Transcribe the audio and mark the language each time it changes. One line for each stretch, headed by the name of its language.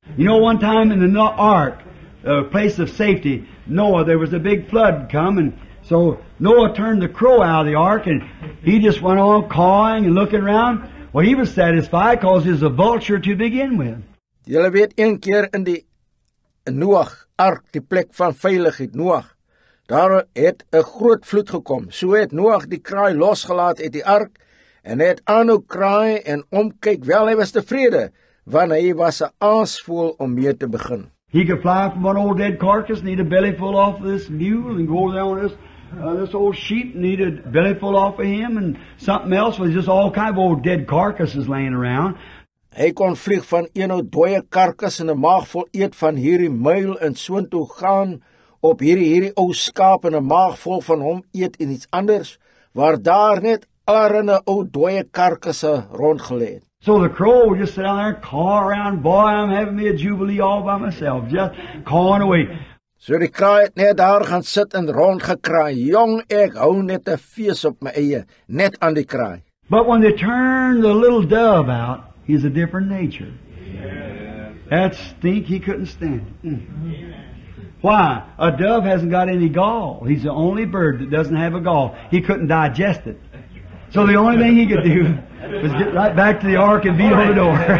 English: You know, one time in the ark, a place of safety, Noah, there was a big flood come, and so Noah turned the crow out of the ark, and he just went on cawing and looking around. Well, he was satisfied, because he was a vulture to begin with.
Afrikaans: Julle weet, een keer in die Noah ark, die plek van veiligheid, Noah, daar het een groot vloed gekom. So het Noah die kraai losgelaat uit die ark, en het aanhou kraai en omkyk, wel hy was tevrede, want hy was 'n aasvoel om mee te begin.
English: He could fly from one old dead carcass and eat a belly full off of this mule and go down this this old sheep and eat a belly full off of him and something else was just all kind of old dead carcasses laying around.
Afrikaans: Hy kon vlieg van een ou dooie karkas en 'n maag vol eet van hierdie muil en soontoe gaan op hierdie ou skaap en 'n maag vol van hom eet en iets anders, waar daar net allerhande ou dooie karkasse rondgelê.
English: So the crow would just sit down there, caw around, boy, I'm having me a jubilee all by myself, just cawing away.
Afrikaans: So die kraai het net daar gaan sit en rondgekraai, jong, ek hou net 'n fees op my eie, net aan die kraai.
English: But when they turn the little dove out, he's a different nature. Yeah. That stink he couldn't stand. Why? A dove hasn't got any gall. He's the only bird that doesn't have a gall. He couldn't digest it. So the only thing he could do was get right back to the ark and beat on the door.